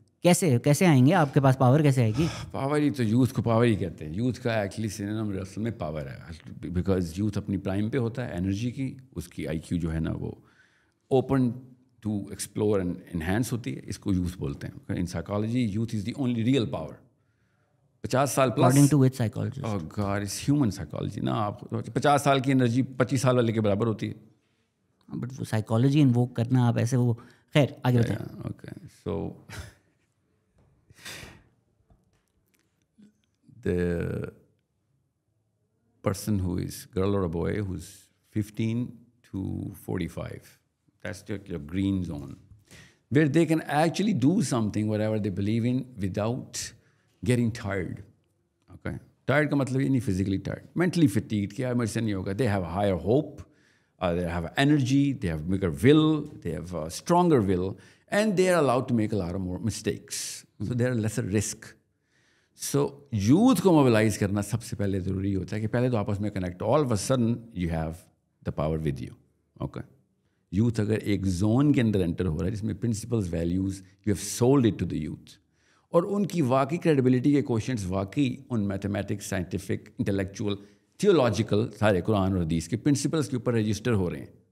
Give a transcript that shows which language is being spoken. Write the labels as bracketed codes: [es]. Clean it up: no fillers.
[ur] کیسے کیسے آئیں گے آپ کے پاس, پاور کیسے آئے گی؟ پاور ہی تو یوتھ کو پاور ہی کہتے ہیں. یوتھ کا ایکچولی سینم رسل میں پاور ہے, بیکاز یوتھ اپنی پرائم پہ ہوتا ہے انرجی کی, اس کی آئی کیو جو ہے نا وہ [en] open to explore and enhance [ur] ہوتی ہے, اس کو یوتھ بولتے ہیں. [en] In psychology youth is the only real power. [ur] 50 سال plus [en] According to which psychologist? Oh God, it's human psychology [ur] نا. آپ 50 سال کی انرجی 25 سال والے کے برابر ہوتی ہے. [en] but [ur] وہ سائیکالوجی انووک کرنا آپ ایسے, وہ خیر آگے بتائیں. [en] Okay, so the person who is girl or a boy who's 15 to 45, that's your green zone where they can actually do something whatever they believe in without getting tired. [ur] Okay, tired ka matlab ye nahi [en] physically tired, mentally fatigued [ur] kya mujhe se nahi hoga. [en] They have a higher hope, they have energy, they have bigger will, they have a stronger will, and they are allowed to make a lot of more mistakes. So there are lesser risk. [ur] So youth کو mobilise کرنا سب سے پہلے ضروری ہوتا ہے, کہ پہلے تو آپس میں connect. [en] All of a sudden you have the power with you. [ur] Okay, youth اگر ایک زون کے اندر انٹر ہو رہا ہے جس میں principles values [en] you have sold it to the youth, [ur] اور ان کی واقعی کریڈیبلٹی کے کوشچنس واقعی in mathematics, scientific, intellectual, theological سارے قرآن اور حدیث کے پرنسپلس کے اوپر رجسٹر ہو رہے ہیں.